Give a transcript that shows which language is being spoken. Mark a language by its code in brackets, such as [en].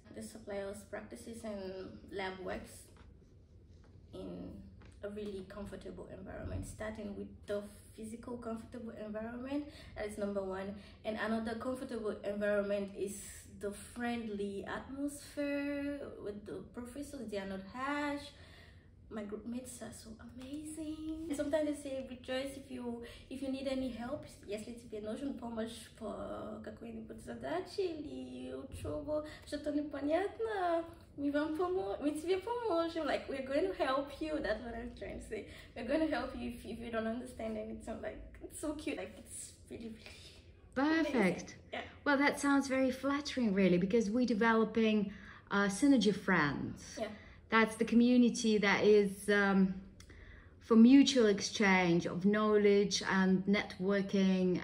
[en] The suppliers practices and lab works in a really comfortable environment, starting with the physical comfortable environment, that is number one. And another comfortable environment is the friendly atmosphere with the professors. They are not harsh. My groupmates are so amazing. Sometimes they say, rejoice if you need any help. [ru] Если тебе нужен помощь по какой-нибудь задаче или учебу, что-то непонятно, мы тебе поможем. [en] Like, we're going to help you. That's what I'm trying to say. We're going to help you if you don't understand anything. Like, it's so cute. Like, it's really, really perfect. Amazing. Yeah. Well, that sounds very flattering, really, because we're developing Synergy friends. Yeah. That's the community that is for mutual exchange of knowledge and networking.